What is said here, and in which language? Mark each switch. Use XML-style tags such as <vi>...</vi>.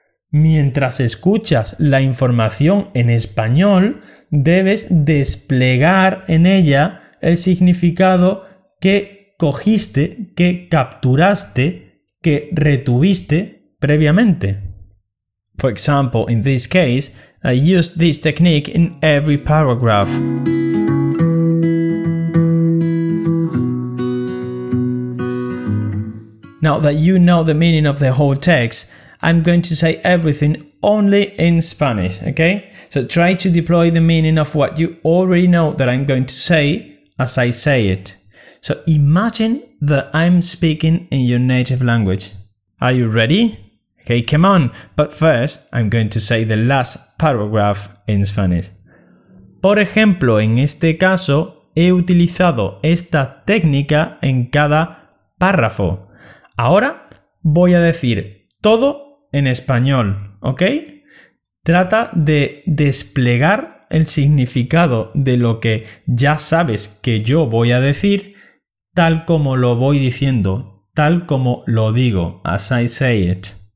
<es>Mientras escuchas la información en español, debes desplegar en ella el significado que cogiste, que capturaste, que retuviste previamente.</es> <en>For example, in this case, I use this technique in every paragraph. Now that you know the meaning of the whole text, I'm going to say everything only in Spanish, okay? So try to deploy the meaning of what you already know that I'm going to say as I say it. So imagine that I'm speaking in your native language. Are you ready? Okay, come on. But first, I'm going to say the last paragraph in Spanish.</en> <es>Por ejemplo, en este caso, he utilizado esta técnica en cada párrafo. Ahora voy a decir todo en español, ¿ok? Trata de desplegar el significado de lo que ya sabes que yo voy a decir tal como lo voy diciendo, tal como lo digo,</es> <en>as I say it.</en>